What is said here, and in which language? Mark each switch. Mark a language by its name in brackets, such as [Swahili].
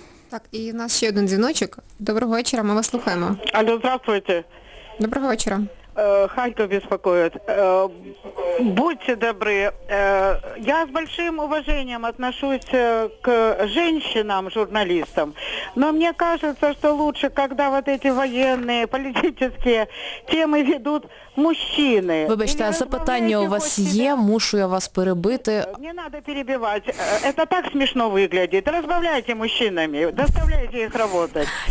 [Ukrainian] Так, і у нас ще один дзвіночок. Доброго вечора, ми вас слухаємо. [Russian] Алло, здравствуйте. [Ukrainian] Доброго вечора. [Russian] Харків беспокоїть. Будьте добрі. Я з большим уваженням отношусь к женщинам, журналістам. Но мне кажется, что лучше, когда вот эти военные, политические темы ведут мужчины. [Ukrainian] Вибачте, а запитання у вас є, мушу я вас перебити. [Russian] Не надо перебивать. Это так смешно выглядит. [Ukrainian] Розбавляйте мужчинами, доставляйте їх работать.